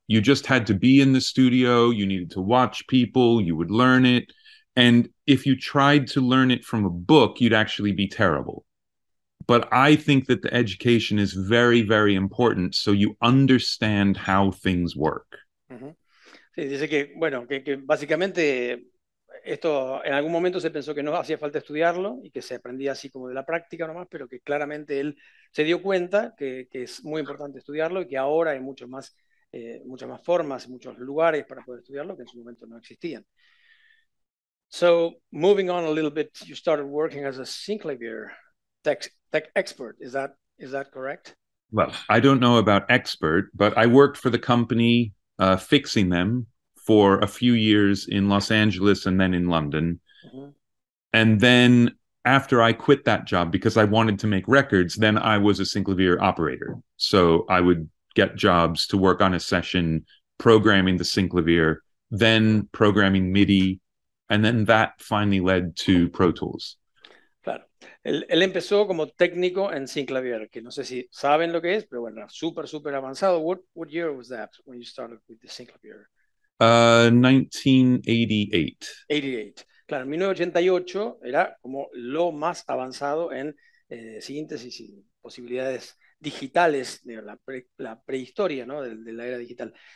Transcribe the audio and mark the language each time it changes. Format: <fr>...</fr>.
<en>You just had to be in the studio, you needed to watch people, you would learn it. And if you tried to learn it from a book, you'd actually be terrible. But I think that the education is very, very important, so you understand how things work. Mm-hmm.</en> <es>Sí, dice que, bueno, que básicamente esto en algún momento se pensó que no hacía falta estudiarlo y que se aprendía así como de la práctica nomás, pero que claramente él se dio cuenta que es muy importante estudiarlo y que ahora hay muchas más formas, muchos lugares para poder estudiarlo que en su momento no existían.</es> <en>So, moving on a little bit, you started working as a synclavier tech expert. Is that correct? Well, I don't know about expert, but I worked for the company fixing them for a few years in Los Angeles and then in London. Mm-hmm. And then after I quit that job because I wanted to make records, then I was a synclavier operator. So I would get jobs to work on a session programming the synclavier, then programming MIDI, and then that finally led to Pro Tools.</en> <es>Claro. Él empezó como técnico en synclavier, que no sé si saben lo que es, pero bueno, super, super avanzado.</es> <en>What year was that when you started with the synclavier? 1988.</en> <es>Claro, 1988 era como lo más avanzado en síntesis y posibilidades digitales de la prehistoria, ¿no? De la era digital.</es>